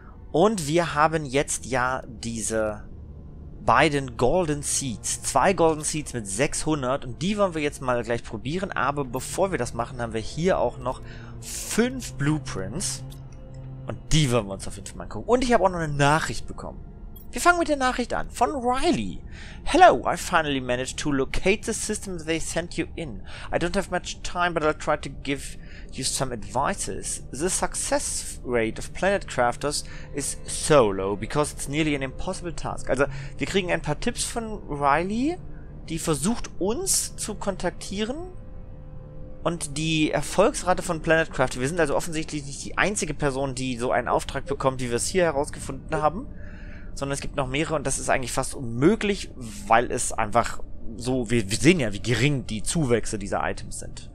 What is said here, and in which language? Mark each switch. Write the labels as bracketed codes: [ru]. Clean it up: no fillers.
[de] Und wir haben jetzt ja diese beiden Golden Seeds. Zwei Golden Seeds mit 600 und die wollen wir jetzt mal gleich probieren, aber bevor wir das machen, haben wir hier auch noch 5 Blueprints und die wollen wir uns auf jeden Fall mal angucken. Und ich habe auch noch eine Nachricht bekommen. Wir fangen mit der Nachricht an. Von Riley. [en] Hello, I finally managed to locate the system they sent you in. I don't have much time, but I'll try to give you some advices. The success rate of Planet Crafters is so low, because it's nearly an impossible task. [de] Also, wir kriegen ein paar Tipps von Riley, die versucht uns zu kontaktieren. Und die Erfolgsrate von Planet Crafters, wir sind also offensichtlich nicht die einzige Person, die so einen Auftrag bekommt, wie wir es hier herausgefunden haben. Sondern es gibt noch mehrere und das ist eigentlich fast unmöglich, weil es einfach so, wir sehen ja, wie gering die Zuwächse dieser Items sind.